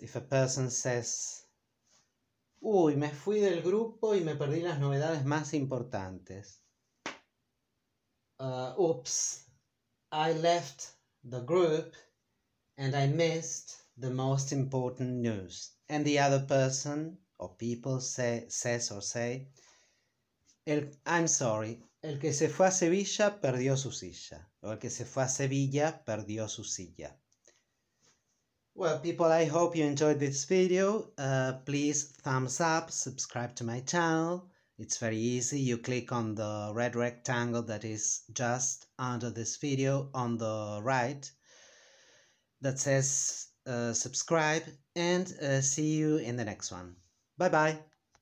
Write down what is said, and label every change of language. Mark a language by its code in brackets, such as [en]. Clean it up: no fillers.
[en] If a person says, [es] "Uy, me fui del grupo y me perdí las novedades más importantes." [en] Oops, I left the group and I missed the most important news. And the other person or people says, "I'm sorry. [es] El que se fue a Sevilla perdió su silla. O el que se fue a Sevilla perdió su silla." [en] Well, people, I hope you enjoyed this video. Please thumbs up, subscribe to my channel. It's very easy. You click on the red rectangle that is just under this video on the right that says subscribe, and see you in the next one. Bye-bye.